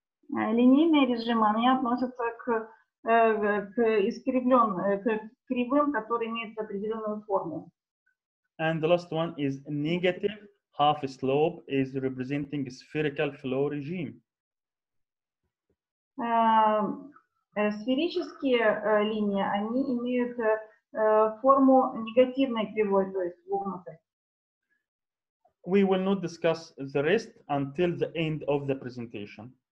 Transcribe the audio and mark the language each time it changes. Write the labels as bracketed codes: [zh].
[ru] Линейные режимы, они относятся к искривленным, к кривым, которые имеют определенную форму. [en] And the last one is negative half slope is representing spherical flow regime. [ru] Сферические линии, они имеют форму негативной кривой, то есть вогнутой. [en] We will not discuss the rest until the end of the presentation.